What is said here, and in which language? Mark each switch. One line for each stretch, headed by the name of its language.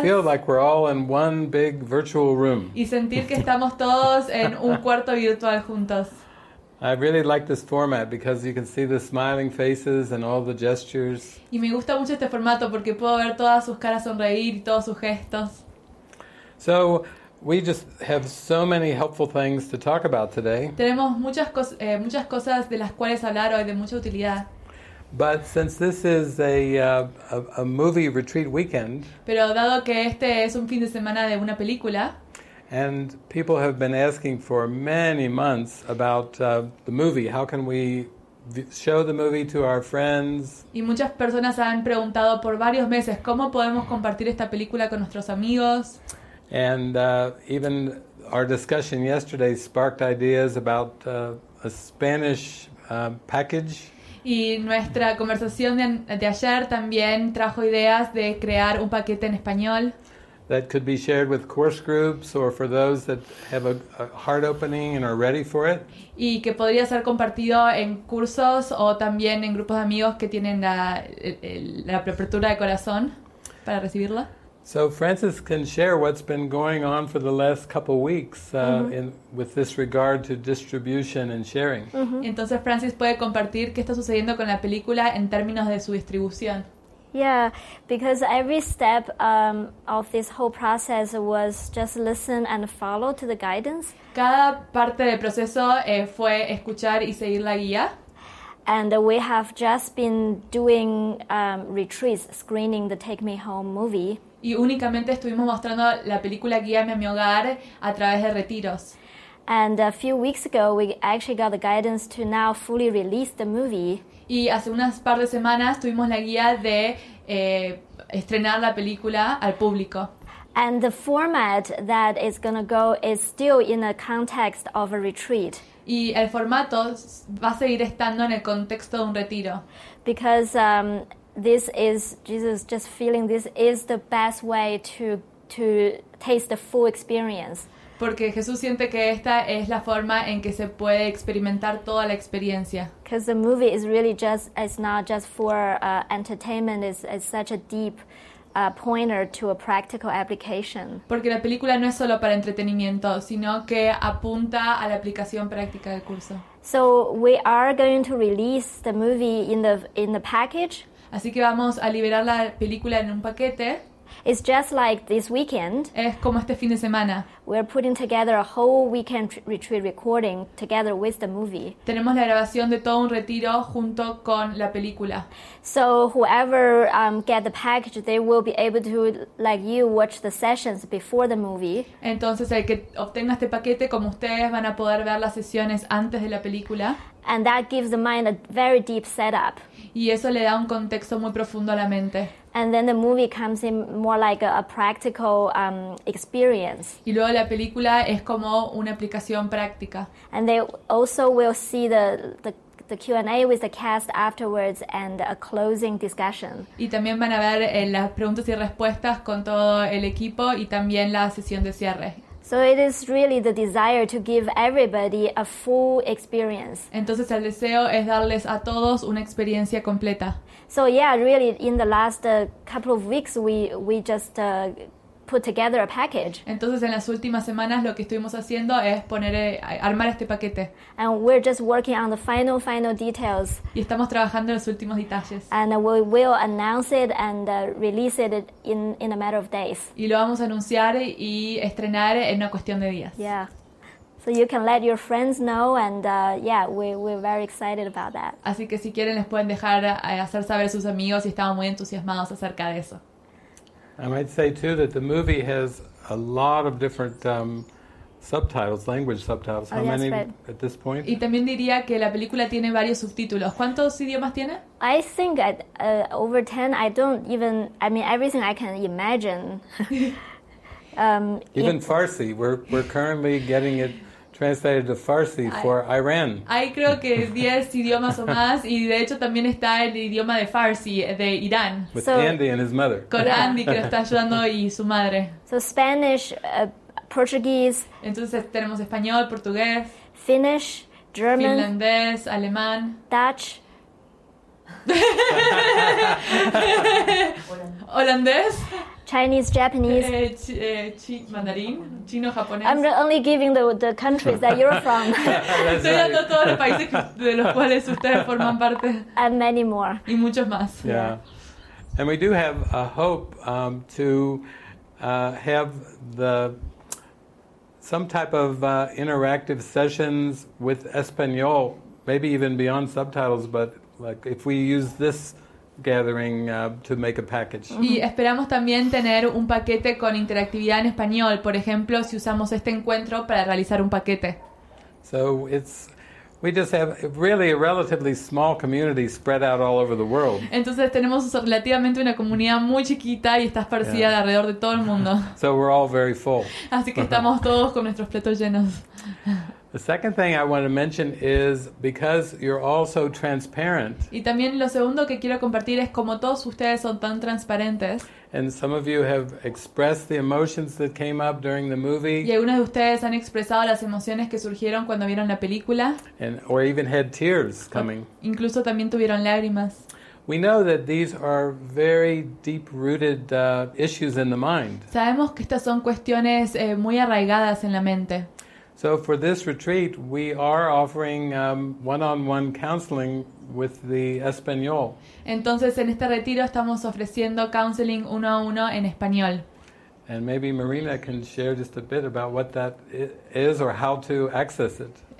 English: Feel like we're all in one big virtual room.
Spanish: Y sentir que estamos todos en un cuarto virtual juntos.
English: I really like this format because you can see the smiling faces and all the gestures.
Spanish: Y me gusta mucho este formato porque puedo ver todas sus caras sonreír y todos sus gestos.
English: So, we just have so many helpful things to talk about today.
Spanish: Tenemos muchas muchas cosas de las cuales hablar hoy de mucha utilidad.
English: But since this is a movie retreat weekend.
Spanish: Pero dado que este es un fin de semana de una película.
English: And people have been asking for many months about the movie. How can we show the movie to our friends?
Spanish: Y muchas personas han preguntado por varios meses cómo podemos compartir esta película con nuestros amigos.
English: And even our discussion yesterday sparked ideas about a Spanish package.
Spanish: Y nuestra conversación de ayer también trajo ideas de crear un paquete en español.
English: That could be shared with course groups or for those that have a heart opening and are ready for it.
Spanish: Y que podría ser compartido en cursos o también en grupos de amigos que tienen la apertura de corazón para recibirla.
English: So Francis can share what's been going on for the last couple weeks with this regard to distribution and sharing.
Spanish: Entonces Francis puede compartir qué está sucediendo con la película en términos de su distribución.
English: Yeah, because every step of this whole process was just listen and follow to the guidance.
Spanish: Cada parte del proceso fue escuchar y seguir la guía.
English: And we have just been doing retreats, screening the Take Me Home movie.
Spanish: Y únicamente estuvimos mostrando la película Guíame a mi hogar a través de retiros.
English: And a few weeks ago, we actually got the guidance to now fully release the movie.
Spanish: Y hace unas par de semanas tuvimos la guía de estrenar la película al público.
English: And the format that is going to go is still in the context of a retreat.
Spanish: Y el formato va a seguir estando en el contexto de un retiro.
English: Because this is Jesus just feeling this is the best way to taste the full experience.
Spanish: Porque Jesús siente que esta es la forma en que se puede experimentar toda la experiencia.
English: Because the movie is really just, it's not just for entertainment, it's such a deep pointer to a practical application.
Spanish: Porque la película no es solo para entretenimiento, sino que apunta a la aplicación práctica del curso.
English: So we are going to release the movie in the package.
Spanish: Así que vamos a liberar la película en un paquete.
English: It's just like this weekend.
Spanish: Es como este fin de semana.
English: We're putting together a whole weekend retreat recording together with the movie.
Spanish: Tenemos la grabación de todo un retiro junto con la película.
English: So whoever get the package, they will be able to, like you, watch the sessions before the movie.
Spanish: Entonces el que obtenga este paquete, como ustedes, van a poder ver las sesiones antes de la película.
English: And that gives the mind a very deep setup.
Spanish: Y eso le da un contexto muy profundo a la mente.
English: And then the movie comes in more like a practical experience.
Spanish: Y luego la película es como una aplicación práctica.
English: And they also will see the Q&A with the cast afterwards and a closing discussion.
Spanish: Y también van a ver las preguntas y respuestas con todo el equipo y también la sesión de cierre.
English: So it is really the desire to give everybody a full experience.
Spanish: Entonces el deseo es darles a todos una experiencia completa.
English: So yeah, really in the last couple of weeks we just put together a package.
Spanish: Entonces en las últimas semanas lo que estuvimos haciendo es armar este paquete.
English: And we're just working on the final details.
Spanish: Y estamos trabajando en los últimos detalles.
English: And we will announce it and release it in a matter of days.
Spanish: Y lo vamos a anunciar y estrenar en una cuestión de días.
English: Yeah. So you can let your friends know and we're very excited about that.
Spanish: Así que si quieren les pueden dejar hacer saber a sus amigos y estamos muy entusiasmados acerca de eso.
English: I might say too that the movie has a lot of different subtitles, language subtitles. How many at this point?
Spanish: Y también diría que la película tiene varios subtítulos. ¿Cuántos idiomas tiene?
English: I think at over 10. Everything I can imagine. Even Farsi. We're currently getting it translated to Farsi for Iran.
Spanish: Hay creo que 10 idiomas o más, y de hecho también está el idioma de Farsi de Irán.
English: With Andy and his mother.
Spanish: Con Andy que lo está ayudando y su madre.
English: So Spanish, Portuguese.
Spanish: Entonces tenemos español, portugués.
English: Finnish, German,
Spanish: finlandés, alemán,
English: Dutch,
Spanish: holandés,
English: Chinese, Japanese,
Spanish: mandarín, chino, japonés.
English: I'm only giving the countries that you're from.
Spanish: Estoy dando todos los países de los cuales ustedes forman parte.
English: And many more.
Spanish: Y muchos más.
English: Yeah. And we do have a hope to have some type of interactive sessions with Espanol, maybe even beyond subtitles, but like if we use this gathering to make a package.
Spanish: Y esperamos también tener un paquete con interactividad en español, por ejemplo, si usamos este encuentro para realizar un paquete.
English: So it's, we just have really a relatively small community spread out all over the world.
Spanish: Entonces tenemos relativamente una comunidad muy chiquita y está esparcida alrededor de todo el mundo.
English: So we're all very full.
Spanish: Así que estamos todos con nuestros platos llenos.
English: The second thing I want to mention is because you're all so transparent.
Spanish: Y también lo segundo que quiero compartir es como todos ustedes son tan transparentes.
English: And some of you have expressed the emotions that came up during the movie.
Spanish: Y algunos de ustedes han expresado las emociones que surgieron cuando vieron la película.
English: And or even had tears coming.
Spanish: O incluso también tuvieron lágrimas.
English: We know that these are very deep-rooted issues in the mind.
Spanish: Sabemos que estas son cuestiones muy arraigadas en la mente.
English: So for this retreat, we are offering one-on-one counseling with the Espanol.
Spanish: Entonces, en este retiro estamos ofreciendo counseling uno a uno en español.
English: And maybe Marina can share just a bit about what that is or how to access it.